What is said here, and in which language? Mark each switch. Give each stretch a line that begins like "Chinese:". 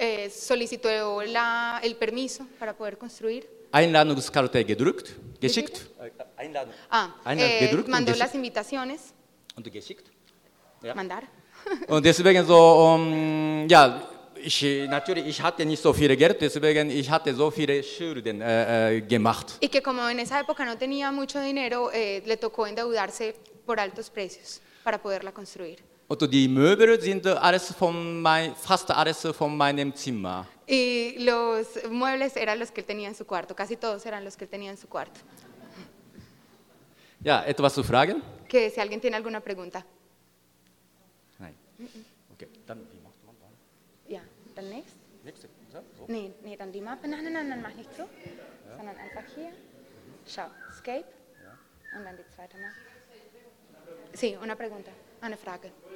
Spanish: Solicitó el permiso para poder construir.
German: Einladungskarte gedruckt, geschickt. Gedruckt
Spanish: mandó las invitaciones.
German: Und geschickt.
Spanish: Ja. Mandar.
German: Und deswegen so, ja. Natürlich hatte nicht so viel Geld, deswegen ich hatte so viele Schulden gemacht.
Spanish: Y que como en esa época no tenía mucho dinero, le tocó endeudarse por altos precios para poderla construir.
German: Und die Möbel sind alles fast alles von meinem Zimmer.
Spanish: Y los muebles eran los que él tenía en su cuarto, casi todos eran los que él tenía en su cuarto.
German: Ja, etwas zu fragen?
Spanish: Que si alguien tiene alguna pregunta.
German: Nein. Okay, dann wie macht man dann? Ja, dann next. Nächste. So. Nee, dann die Mappe. Nein, dann mach nicht so. Ja. Sondern einfach hier. Schau, Escape. Ja. Und dann die zweite Mal.
Spanish: Sí, una pregunta.
German: Eine Frage.